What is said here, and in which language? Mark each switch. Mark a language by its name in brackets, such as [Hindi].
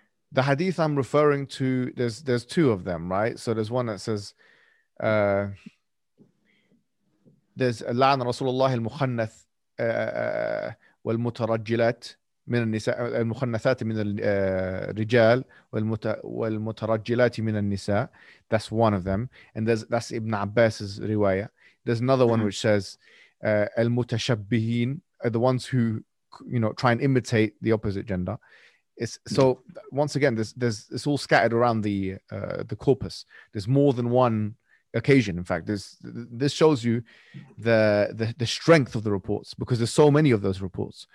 [English] The hadith I'm referring to, there's two of them, right? So there's one that says... there's [Arabic] لعن رسول الله المخنث والمترجلات من النساء المخنثات من الرجال والمترجلات من النساء. [English] That's one of them. And that's Ibn Abbas's riwayah. There's another one which says المتشبهين are the ones who, you know, try and imitate the opposite gender. It's so once again, it's all scattered around the corpus. There's more than one occasion. In fact, this shows you the strength of the reports, because there's so many of those reports.